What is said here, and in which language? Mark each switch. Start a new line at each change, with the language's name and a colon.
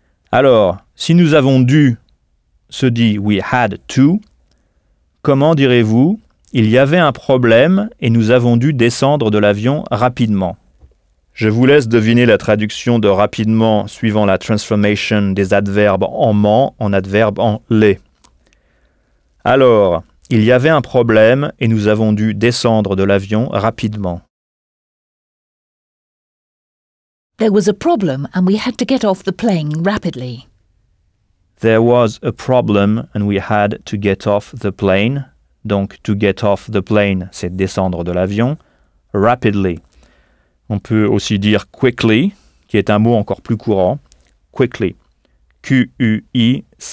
French: Alors, si nous avons dû se dit
English: we had to,
French: comment direz-vous, il y avait un problème et nous avons dû descendre de l'avion rapidement? Je vous laisse deviner la traduction de rapidement suivant la transformation des adverbes en ment en adverbe en les. Alors, il y avait un problème et nous avons dû descendre de l'avion rapidement.
English: There was a problem and we had to get off the plane rapidly. There was a problem and we had to get off the plane.
French: Donc,
English: to get off the plane,
French: c'est descendre de l'avion. Rapidly. On peut aussi dire quickly, qui est un mot encore plus courant. Quickly. Quickly.